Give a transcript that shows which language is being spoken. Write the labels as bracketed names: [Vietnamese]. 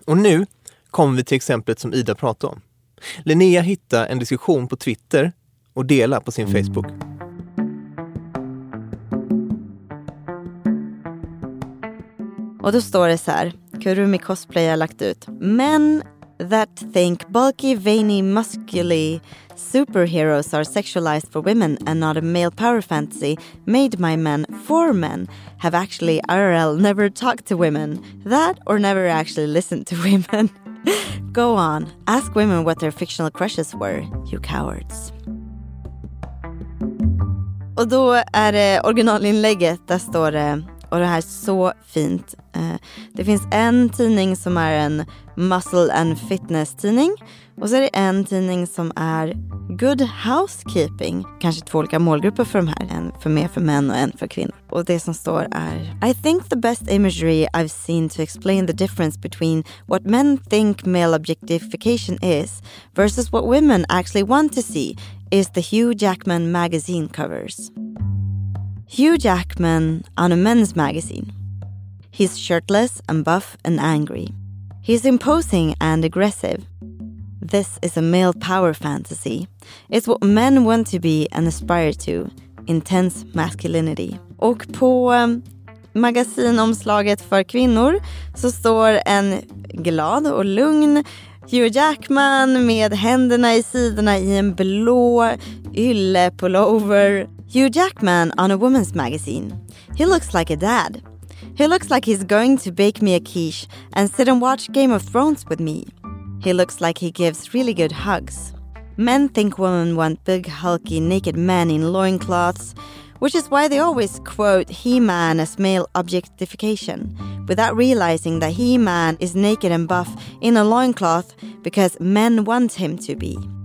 [Swedish] Och nu kommer vi till exemplet som Ida pratade om. Linnea hittade en diskussion på Twitter och delade på sin Facebook. Och då står det så här, Kurumi cosplay har lagt ut. [English] Men that think bulky, veiny, muscly superheroes are sexualized for women and not a male power fantasy made by men for men have actually IRL never talked to women that or never actually listened to women. Go on, ask women what their fictional crushes were, you cowards. [Swedish] Och då är det originalinlägget, där står det, och det här är så fint. Det finns en tidning som är en [English] muscle and fitness [Swedish] tidning. Och så är det en tidning som är good housekeeping. Kanske två olika målgrupper för de här. En för mer för män och en för kvinnor. Och det som står är: [English] I think the best imagery I've seen to explain the difference between what men think male objectification is versus what women actually want to see is the Hugh Jackman magazine covers. Hugh Jackman on a men's magazine. He's shirtless and buff and angry. He's imposing and aggressive. This is a male power fantasy. It's what men want to be and aspire to. Intense masculinity. [Swedish] Och på magasinomslaget för kvinnor så står en glad och lugn Hugh Jackman med händerna i sidorna i en blå ylle pullover. [English] Hugh Jackman on a woman's magazine. He looks like a dad. He looks like he's going to bake me a quiche and sit and watch Game of Thrones with me. He looks like he gives really good hugs. Men think women want big, hulky, naked men in loincloths, which is why they always quote He-Man as male objectification, without realizing that He-Man is naked and buff in a loincloth because men want him to be.